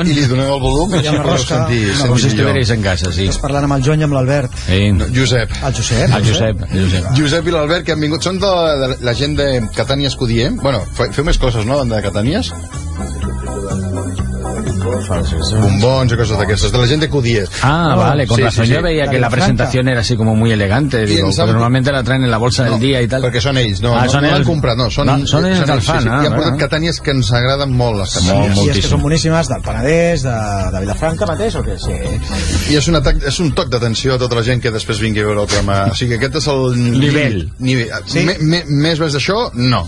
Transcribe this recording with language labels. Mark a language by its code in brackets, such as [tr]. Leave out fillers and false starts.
[ca] i li doneu el volum i així podeu sentir millor. Com si estiguéssim en casa, sí. Estàs parlant amb el Joan i amb l'Albert. Sí. No, Josep. El Josep i l'Albert, que han vingut, són de la gent de Catània Escudier. Bueno, feu més coses, no, de Catanias? Bombons o coses d'aquestes, de la gent de Cudies. [es] Ah, vale, con razón, yo veía que la presentación era así como muy elegante, digo, pero normalmente la traen en la bolsa del día y tal. [ca] Perquè són ells, no l'han comprat, no, són ells del fan. I han portat Catanias, que ens agraden molt les Catanias. I és que són boníssimes, del Penedès, de Vilafranca mateix, o què? I és un toc d'atenció a tota la gent que després vingui a veure el programa. O sigui, aquest és el nivell. Més bé d'això, no.